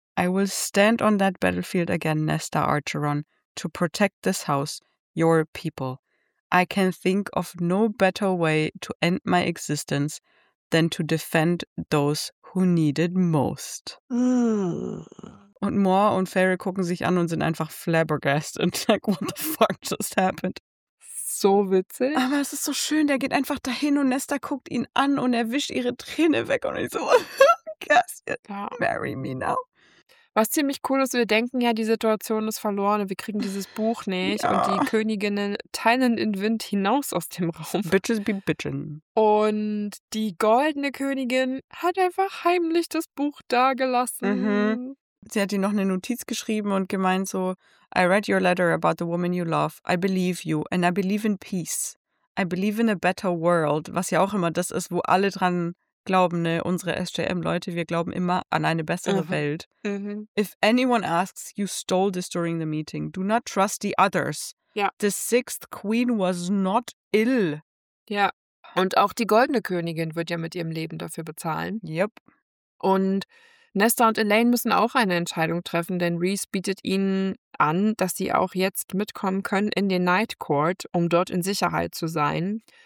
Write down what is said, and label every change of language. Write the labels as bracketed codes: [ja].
[en] I will stand on that battlefield again, Nesta Archeron, to protect this house, your people. I can think of no better way to end my existence than to defend those who need it most. [de] Und Moore und Fairy gucken sich an und sind einfach flabbergasted. [en] Like, what the fuck just happened? [de] So witzig. Aber es ist so schön, der geht einfach dahin und Nesta guckt ihn an und er wischt ihre Träne weg. Und ich so, Cassian, [en] marry me now. [de] Was ziemlich cool ist, wir denken ja, die Situation ist verloren und wir kriegen dieses Buch nicht. Ja. Und die Königinnen teilen den Wind hinaus aus dem Raum. [en] Bitches be bitchen. [de] Und die goldene Königin hat einfach heimlich das Buch dagelassen. Mhm. Sie hat ihr noch eine Notiz geschrieben und gemeint so, [en] I read your letter about the woman you love. I believe you and I believe in peace. I believe in a better world. [de] Was ja auch immer das ist, wo alle dran glauben, ne, unsere SJM-Leute, wir glauben immer an eine bessere Welt. Mhm. [en] If anyone asks, you stole this during the meeting, do not trust the others. [de] Ja. [en] The sixth queen was not ill. [de] Ja. Und auch die goldene Königin wird ja mit ihrem Leben dafür bezahlen. [en] Yep. [de] Und Nesta und Elaine müssen auch eine Entscheidung treffen, denn Rhys bietet ihnen an, dass sie auch jetzt mitkommen können in den Night Court, um dort in Sicherheit zu sein.